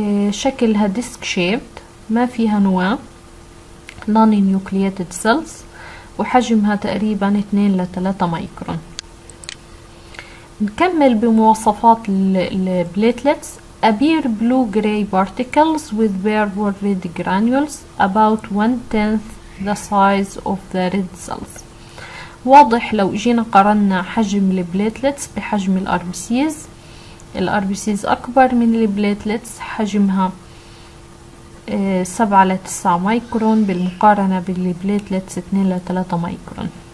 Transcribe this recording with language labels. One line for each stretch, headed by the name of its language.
Arabic: شكلها ديسك شيبت، ما فيها نواة، نون نيوكلياتد سيلز، وحجمها تقريبا 2 ل 3 مايكرون. نكمل بمواصفات البليتلتس.
English: appear blue gray particles with purple red granules about 1/10 the size of the red cells.
Arabic: واضح لو جينا قارنا حجم البليتلتس بحجم الار بي سيز، الار بي سيز اكبر من البليتلتس، حجمها 7 ل 9 مايكرون بالمقارنه بالبليتلتس 2 ل 3 مايكرون.